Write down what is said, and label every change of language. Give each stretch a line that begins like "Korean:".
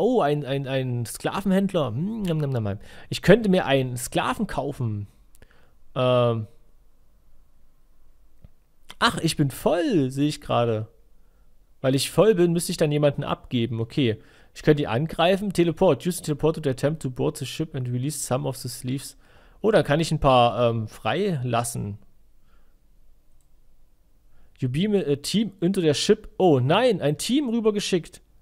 German: Oh, ein Sklavenhändler. Ich könnte mir einen Sklaven kaufen. Ach, ich bin voll, sehe ich gerade. Weil ich voll bin, müsste ich dann jemanden abgeben. Okay. Ich könnte die angreifen.
English: Teleport. Use the teleport to attempt to board the ship and release some of the sleeves.
German: Oh, dann kann ich ein paar freilassen.
English: You beam a team into their ship.
German: Oh nein, ein Team rübergeschickt.